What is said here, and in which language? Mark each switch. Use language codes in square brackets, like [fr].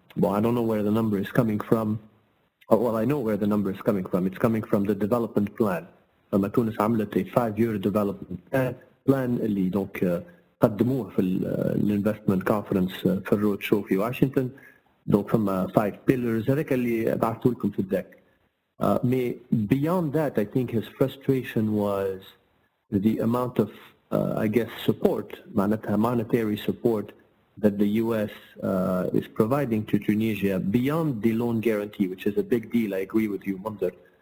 [en] Well, I don't know where the number is coming from. Well, I know where the number is coming from. It's coming from the development plan. From a Tunis [ar] عملت [en] a 5-year development plan [ar] اللي دونك قدموه في الانفستمنت كونفرنس في الرود شو في واشنطن. دونك فما 5 pillars هذاك اللي بعثوا لكم في الدك. [en] But beyond that, I think his frustration was the amount of, support, monetary support that the U.S. Is providing to Tunisia beyond the loan guarantee, which is a big deal. I agree with you, Munzer.